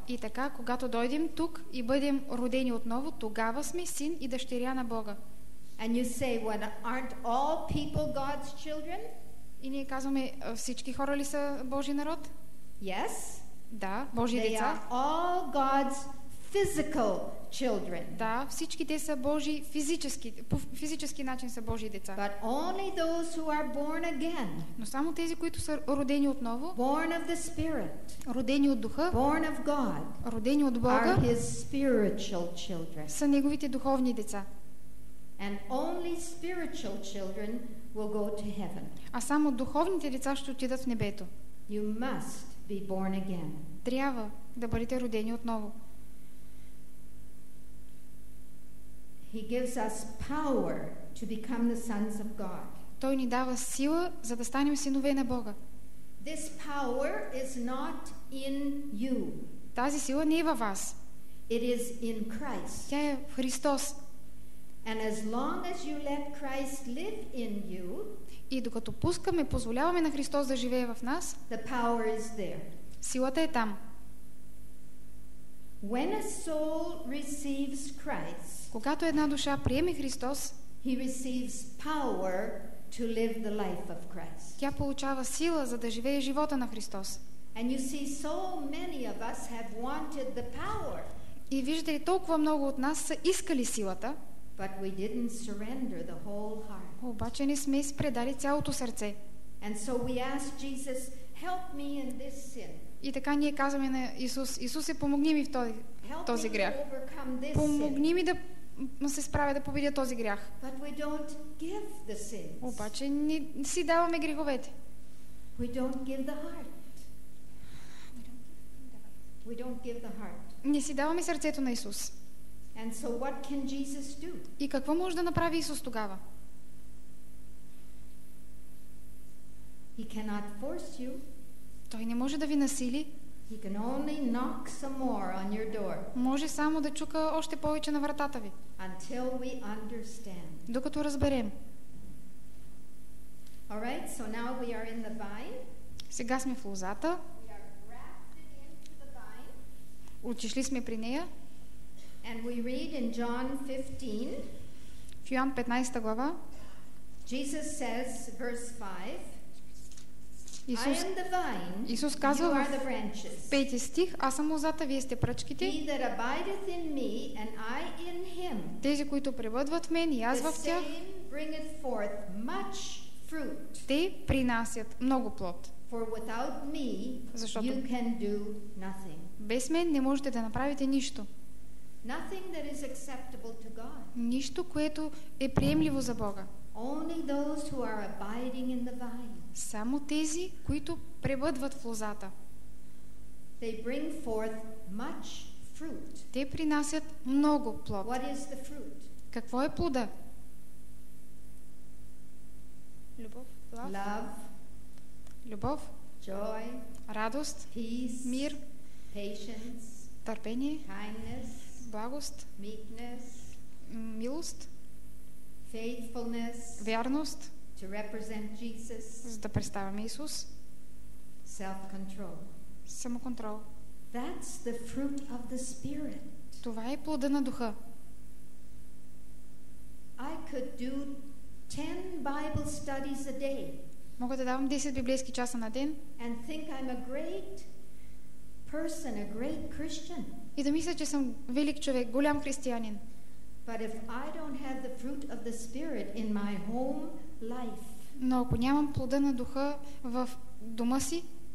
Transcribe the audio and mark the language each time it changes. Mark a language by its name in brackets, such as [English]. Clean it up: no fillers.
[Bulgarian] И така, когато дойдем тук и бъдем родени отново, тогава сме син и дъщеря на Бога. [English] And you say, well, aren't all people God's children? [Bulgarian] И ние казваме, всички хора ли са Божи народ? [English] Yes. [Bulgarian] Да, Божи деца. [English] They are all God's physical children. [Bulgarian] Да, всички те са Божии физически, по физически начин са Божии деца. [English] But only those who are born again. [Bulgarian] Но само тези, които са родени отново. [English] Born of the Spirit. [Bulgarian] Родени от Духа. [English] Born of God. [Bulgarian] Родени от Бога. [English] Are His spiritual children. [Bulgarian] Са неговите духовни деца. [English] And only spiritual children will go to heaven. [Bulgarian] А само духовните деца ще отидат в небето. [English] You must be born again. [Bulgarian] Трябва да бъдете родени отново. [English] He gives us power to become the sons of God. [Bulgarian] Той ни дава сила, за да станем синове на Бога. [English] This power is not in you. [Bulgarian] Тази сила не е във вас. [English] It is in Christ. [Bulgarian] Тя е в Христос. [English] And as long as you let Christ live in you, [Bulgarian] и докато пускаме, позволяваме на Христос да живее в нас, [English] the power is there. [Bulgarian] Силата е там. [English] When a soul receives Christ, [Bulgarian] когато една душа приеме Христос, [English] he receives power to live the life of Christ. [Bulgarian] Тя получава сила, за да живее живота на Христос. [English] And you see, so many of us have wanted the power. [Bulgarian] И виждате, толкова много от нас са искали силата, [English] but we didn't surrender the whole heart. [Bulgarian] Обаче не сме изпредали цялото сърце. [English] And so we ask Jesus, help me in this sin. [Bulgarian] И така ние казваме на Исус: Исусе, помогни ми в този грях. Помогни ми да се справя, да победя този грях. [English] But we don't give the sins. [Bulgarian] Обаче не си даваме греховете. [English] We don't give the heart. We don't give the heart. [Bulgarian] Не си даваме сърцето на Исус. [English] And so what can Jesus do? [Bulgarian] И какво може да направи Исус тогава? [English] He cannot force you. [Bulgarian] Той не може да ви насили. [English] He can only knock some more on your door. [Bulgarian] Може само да чука още повече на вратата ви. [English] Until we understand. [Bulgarian] Докато разберем. [English] All right, so now we are in the vine. [Bulgarian] Сега сме в лозата. [English] We are grafted into the vine. [Bulgarian] Отишли сме при нея. [English] And we read in John 15. [Bulgarian] В Йоан 15 глава. [English] Jesus says, verse 5. [Bulgarian] Исус, [English] I am the vine, [Bulgarian] Исус казва [English] you are the branches. [Bulgarian] В 5 стих, аз съм лозата, вие сте пръчките. [English] He that abideth in me, and I in him, [Bulgarian] тези, които пребъдват в мен и аз в тях, [English] the same bringeth forth much fruit. [Bulgarian] Те принасят много плод. [English] For without me, [Bulgarian] защото [English] you can do nothing. [Bulgarian] Без мен не можете да направите нищо. [English] Nothing that is acceptable to God. [Bulgarian] Нищо, което е приемливо за Бога. [English] Only those who are abiding in the vine. [Bulgarian] Само тези, които пребъдват в лозата. [English] They bring forth much fruit. [Bulgarian] Те принасят много плод. [English] What is the fruit? [Bulgarian] Какво е плода? Любов. [English] Love. [Bulgarian] Любов. [English] Joy. [Bulgarian] Радост. [English] Peace. [Bulgarian] Мир. [English] Patience. [Bulgarian] Търпение. [English] Kindness. [Bulgarian] Благост. [English] Meekness. [Bulgarian] Милост. [English] Faithfulness. [Bulgarian] Вярност. [English] To represent Jesus. [Bulgarian] За да представяме Исус. [English] Self-control. [Bulgarian] Самоконтрол. [English] That's the fruit of the Spirit. [Bulgarian] Това е плода на Духа. [English] I could do 10 Bible studies a day. [Bulgarian] Мога да давам 10 библейски часа на ден. [English] And think I'm a great person, a great Christian. [Bulgarian] И да мисля, че съм велик човек, голям християнин. [English] But if I don't have the fruit of the Spirit in my home life, [Bulgarian] но ако нямам плода на Духа в дома си,